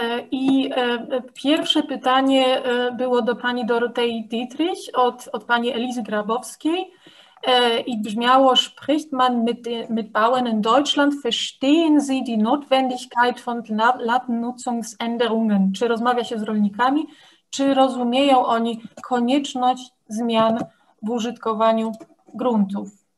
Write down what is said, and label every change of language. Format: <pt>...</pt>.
<pl>I pierwsze pytanie było do pani Dorotei Dietrich od pani Elizy Grabowskiej i brzmiało:</pl> <de>Spricht man mit Bauern in Deutschland? Verstehen Sie die Notwendigkeit von Landnutzungsänderungen?</de> <pl>Czy rozmawia się z rolnikami? Czy rozumieją oni konieczność zmian w użytkowaniu gruntów?</pl>